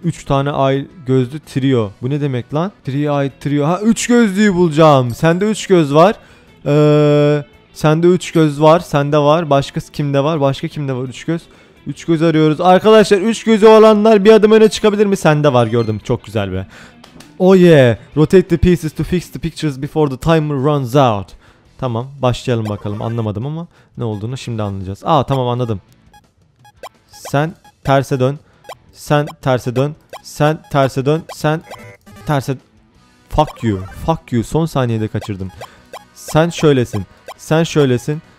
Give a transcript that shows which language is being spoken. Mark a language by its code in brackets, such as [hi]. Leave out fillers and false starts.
[tr] 3 tane ay gözlü trio. Bu ne demek lan? 3 ay trio. Ha 3 gözlüyü bulacağım. Sende 3 göz var. Sende 3 göz var. Sende var. Başkası kimde var? Başka kimde var 3 göz? 3 göz arıyoruz. Arkadaşlar 3 gözü olanlar bir adım öne çıkabilir mi? Sende var, gördüm. Çok güzel be. [en] Oh yeah. Rotate the pieces to fix the pictures before the timer runs out. [tr] Tamam. Başlayalım bakalım. Anlamadım ama ne olduğunu şimdi anlayacağız. Aa tamam anladım. Sen terse dön. Sen terse dön. Sen terse dön. Sen terse... [en] Fuck you. Fuck you. [tr] Son saniyede kaçırdım. Sen şöylesin. Sen şöylesin.